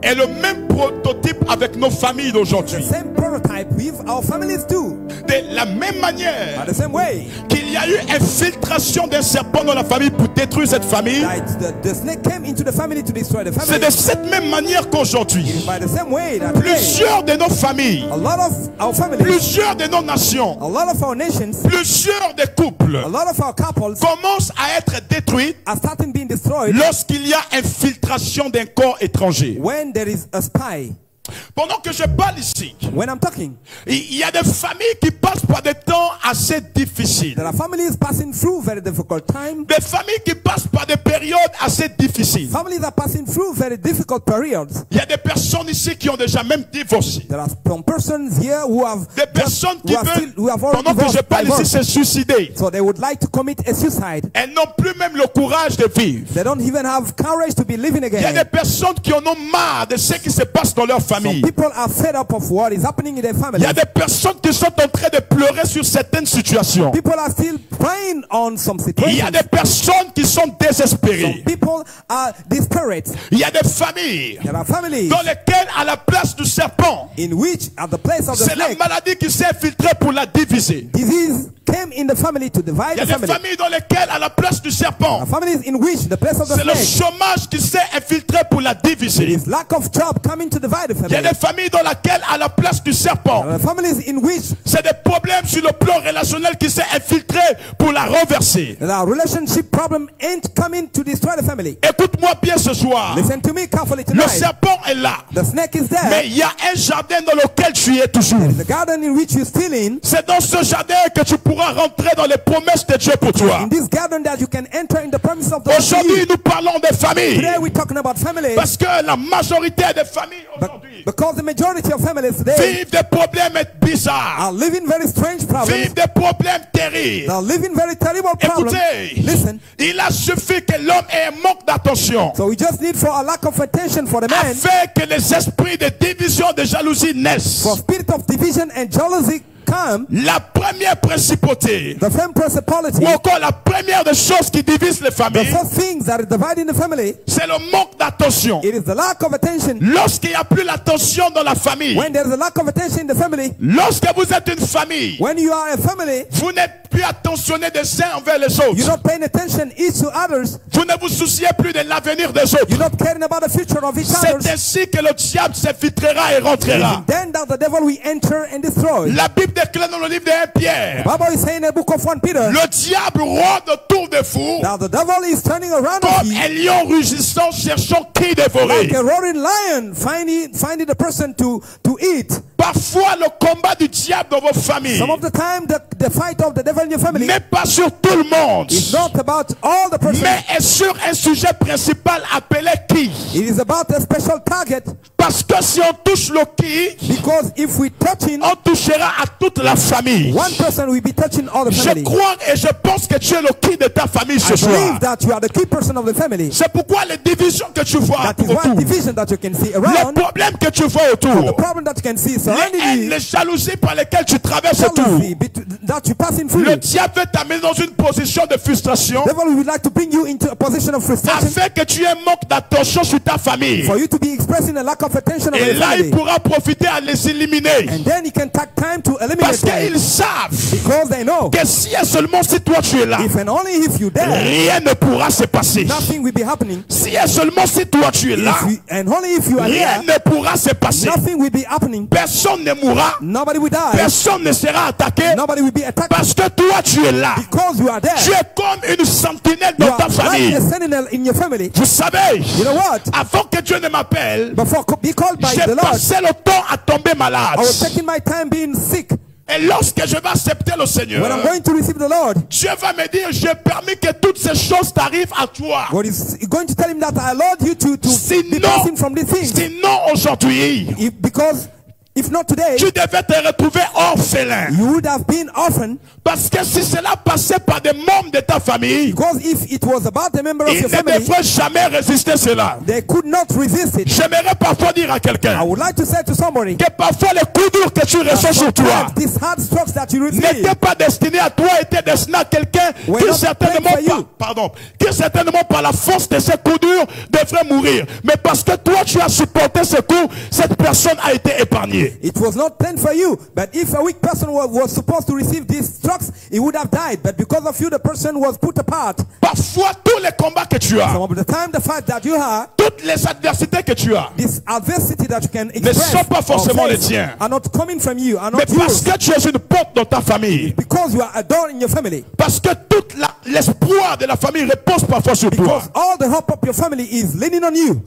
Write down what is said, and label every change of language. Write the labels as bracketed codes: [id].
[fr] Et le même prototype avec nos familles d'aujourd'hui. [en] The same prototype with our families too. [fr] De la même manière. [en] By the same way. [fr] Qu'il y a eu infiltration d'un serpent dans la famille pour détruire cette famille. [en] That the snake came into the family to destroy the family. [fr] C'est de cette même manière qu'aujourd'hui. [en] By the same way that [fr] plusieurs [en] today, [fr] de nos familles. [en] A lot of our families. [fr] Plusieurs de nos nations. [en] A lot of our nations. [fr] Plusieurs de couples. [en] A lot of our couples. [fr] Commencent à être détruites. [en] Are starting being destroyed. [fr] Lorsqu'il y a infiltration d'un corps étranger. [en] When there is a spy. [fr] Pendant que je parle ici, [en] when I'm talking, [fr] il y a des familles qui passent par des temps assez difficiles. [en] There are families passing through very difficult times. [fr] Des familles qui passent par des périodes assez difficiles. [en] Families are passing through very difficult periods. [fr] Il y a des personnes ici qui ont déjà même divorcé. [en] There are some persons here who have [fr] des personnes just, qui veulent, [en] still, who have [fr] pendant [en] divorced, [fr] que je parle [en] divorced. [fr] Ici, se suicider. [en] So they would like to commit a suicide. [fr] Elles n'ont plus même le courage de vivre. [en] They don't even have courage to be living again. [fr] Il y a des personnes qui en ont marre de ce qui se passe dans leur famille. [en] Some people are fed up of what is happening in their family. [fr] Il y a des personnes qui sont en train de pleurer sur certaines situations. [en] People are still crying on some situations. [fr] Il y a des personnes qui sont désespérées. [en] Some people are desperate. [fr] Il y a des familles. [en] There are families. [fr] Dans lesquelles à la place du serpent. [en] In which at the place of the snake. [fr] C'est la maladie qui s'est infiltrée pour la diviser. [en] Disease came in the family to divide the family. [fr] Il y a des familles dans lesquelles à la place du serpent. [en] Families in which the place of the snake. [fr] C'est le chômage qui s'est infiltré pour la diviser. [en] It is lack of job coming to divide. [fr] Il y a des familles dans lesquelles, à la place du serpent, [en] in which [fr] c'est des problèmes sur le plan relationnel qui s'est infiltré pour la renverser. [en] The relationship problem ain't coming to destroy the family. [fr] Écoute-moi bien ce soir. [en] Listen to me carefully tonight. [fr] Le serpent est là. [en] The snake is there. [fr] Mais il y a un jardin dans lequel tu es toujours. [en] There is a garden in which you're still in. [fr] C'est dans ce jardin que tu pourras rentrer dans les promesses de Dieu pour toi. [en] In this garden that you can enter in the promise of the [fr] Lord. Aujourd'hui, nous parlons des familles. [en] Today we're talking about families. [fr] Parce que la majorité des familles aujourd'hui. [en] Because the majority of families today [fr] vivent des problèmes bizarres. [en] Are living very strange problems. [fr] Vivent des problèmes terribles. [en] They're living very terrible problems. [fr] Écoutez, [en] listen. [fr] Il a suffi que l'homme ait un manque d'attention. [en] So we just need for a lack of attention for the man. [fr] Afin que les esprits de division, de jalousie naissent. [en] For spirit of division and jealousy. [fr] La première principauté, [en] the same principality, [fr] ou encore la première des choses qui divisent les familles, [en] the first things that are dividing the family, [fr] c'est le manque d'attention. [en] It is the lack of attention. [fr] Lorsqu'il n'y a plus l'attention dans la famille, [en] when there is a lack of attention in the family, [fr] lorsque vous êtes une famille, [en] when you are a family, [fr] vous n'êtes plus attentionné des uns envers les autres. [en] You're not paying attention each to others. [fr] Vous ne vous souciez plus de l'avenir des autres. [en] You're not caring about the future of each other. [fr] C'est ainsi que le diable s'infiltrera et rentrera. [en] Then that the devil will enter and destroy. [fr] La Bible déclare dans le livre de 1 Pierre. [en] The Bible is saying in the book of 1 Peter. [fr] Le diable rôde autour de vous. [en] Now the devil is turning around. [fr] Comme un lion rugissant cherchant qui dévorer. [en] Like a roaring lion finding a person to eat. [fr] Parfois le combat du diable dans vos familles. [en] Some of the time the fight of the devil in your family. [fr] N'est pas sur tout le monde. [en] It's not about all the persons. [fr] Mais est sur un sujet principal appelé qui. [en] It is about a special target. [fr] Parce que si on touche le qui. [en] Because if we touch him. [fr] On touchera à toute la famille. [en] One person will be touching all the family. [fr] Je crois et je pense que tu es le qui de ta famille ce soir. [en] I believe that you are the key person of the family. [fr] C'est pourquoi les divisions que tu vois [en] that [fr] autour. [en] That is one division that you can see around. [fr] Le problème que tu vois autour. [en] The problem that you can see. [fr] Les jalousies par lesquelles tu traverses tout. [en] That you pass in [fr] le diable veut t'amener dans une position de frustration. [en] The devil would like to bring you into a position of frustration. [fr] Afin que tu aies manque d'attention sur ta famille. [en] For you to be expressing a lack of attention. [fr] Et là, il pourra profiter à les éliminer. [en] And then he can take time to eliminate. [fr] Parce qu'ils savent. [en] Because they know. [fr] Que si et seulement si toi tu es là. [en] If and only if you're there. [fr] Rien ne pourra se passer. [en] Nothing will be happening. [fr] Si et seulement si toi tu es là. [en] And only if you are [fr] rien [en] here. [fr] Rien ne pourra se passer. [en] Nothing will be happening. [fr] Personne ne mourra. [en] Nobody will die. [fr] Personne ne sera attaqué. [en] Nobody will be attacked. [fr] Parce que toi tu es là. [en] Because you are there. [fr] Tu es comme une sentinelle dans ta famille. [en] Like a sentinel in your family. [fr] Vous savez. [en] You know what? [fr] Avant que Dieu ne m'appelle. [en] Before be called by the Lord. [fr] J'ai passé le temps à tomber malade. [en] I was taking my time being sick. [fr] Et lorsque je vais accepter le Seigneur. [en] When I'm going to receive the Lord. [fr] Dieu va me dire j'ai permis que toutes ces choses t'arrivent à toi. [en] God is going to tell him that I allowed you to [fr] sinon, [en] be passing from this thing. [fr] Sinon aujourd'hui. [en] Because If not today, [fr] tu devais te retrouver orphelin. [en] You would have been orphan. [fr] Parce que si cela passait par des membres de ta famille, [en] because if it was about a member of your family, [fr] ils ne devraient jamais résister cela. [en] They could not resist it. [fr] J'aimerais parfois dire à quelqu'un, [en] I would like to say to somebody, [fr] que parfois les coups durs que tu reçois sur toi, [en] these hard strokes that you receive, [fr] n'étaient pas destinés à toi, étaient destinés à quelqu'un qui certainement, par la force de ces coups durs devrait mourir. Mais parce que toi tu as supporté ce coup, cette personne a été épargnée. [en] It was not planned for you, but if a weak person was supposed to receive these strokes, he would have died. But because of you, the person was put apart. [fr] Parfois, tous les combats que tu as, [en] some of the time, the fight that you have, [fr] toutes les adversités que tu as, [en] this adversity that you can express, [fr] ne sont pas forcément les tiens, [en] are not coming from you, are not [fr] mais [en] yours. [fr] Parce que tu es une porte dans ta famille, [en] because you are a door in your family, [fr] parce que toute l'espoir de la famille repose parfois sur [en] because [fr] toi, [en] because all the hope of your family is leaning on you,